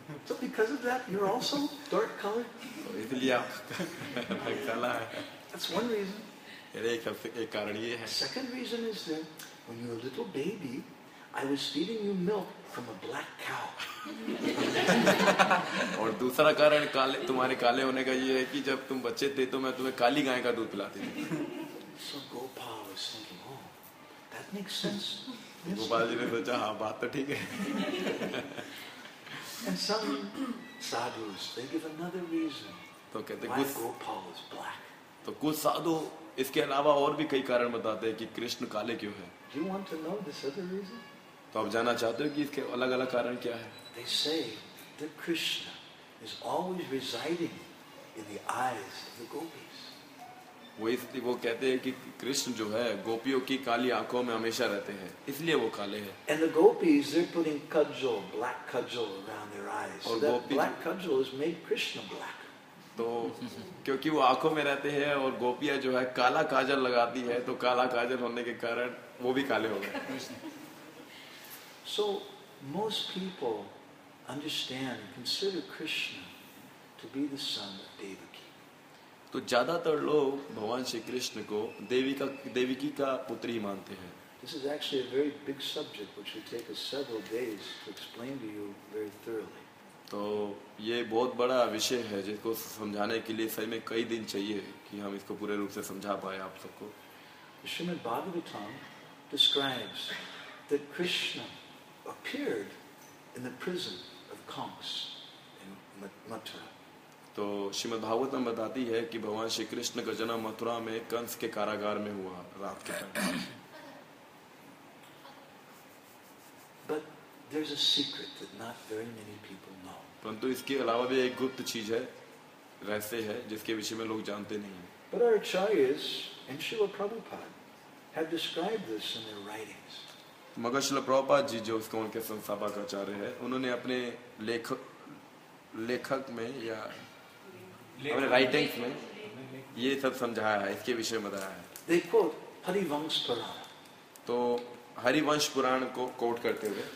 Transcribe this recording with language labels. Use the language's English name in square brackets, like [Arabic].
[English] So because of that, you're also dark colored. [Hindi] तो इसलिए आपका रंग काला है [English] That's one reason. [Hindi] एक कारण ये है [English] Second reason is that when you were a little baby, I was feeding you milk from a black cow. [Hindi] और दूसरा कारण काले तुम्हारे काले होने का ये है कि जब तुम बच्चे थे तो मैं तुम्हें काली गाय का दूध पिलाती थी [English] So Gopal was thinking, oh, that makes sense. [Hindi] Gopal ji ने सोचा हाँ बात तो ठीक है [English] And some sadhus, they give another reason [Hindi] तो कहते [English] why Gopal was black. [Hindi] तो कुछ साधु इसके अलावा और भी कई कारण बताते हैं कि कृष्ण काले क्यों हैं। [English] Do you want to know this other reason? [Hindi] तो आप जानना चाहते हो कि इसके अलग अलग कारण क्या है [English] They say that Krishna is always residing in the eyes of the gopis. [Hindi] वो कहते हैं कि कृष्ण जो है गोपियों की काली आंखों में हमेशा रहते हैं इसलिए वो काले हैं [English] And the gopis they're putting kajal, black kajal around their eyes. [Hindi] और [English] so that black kajal has made Krishna black. [Hindi] तो क्योंकि वो आंखों में रहते हैं और गोपियां जो है काला काजल लगाती है तो काला काजल होने के कारण वो भी काले हो गए [English] So most people understand and consider Krishna to be the son of Devaki. [Hindi] तो ज्यादातर लोग भगवान श्री कृष्ण को देवकी का पुत्र ही मानते हैं [English] This is actually a very big subject which will take us several days to explain to you very thoroughly. [Hindi] तो ये बहुत बड़ा विषय है जिसको समझाने के लिए सही में कई दिन चाहिए कि हम इसको पूरे रूप से समझा पाए आप सबको [English] Shrimad Bhagavatam describes that Krishna appeared in the prison of Kansa in Mathura [Hindi] तो श्रीमद् भागवतम बताती है कि भगवान श्री कृष्ण का जन्म मथुरा में कंस के कारागार में हुआ रात के time [English] There's a secret that not very many people know. [Hindi] परंतु इसके अलावा भी एक गुप्त चीज है, रहस्य है, जिसके विषय में लोग जानते नहीं हैं। [English] But our acharyas and Srila Prabhupada have described this in their writings. [Hindi] मगर श्रील प्रभुपाद जी जो उसको उनके संस्थापक आचार्य हैं, उन्होंने अपने लेखक में या अपने writings में ये सब समझाया है, इसके विषय में बताया है। [English] They quote Harivansh Purana. [Hindi] तो हरिवंश पुराण को कोट करते हुए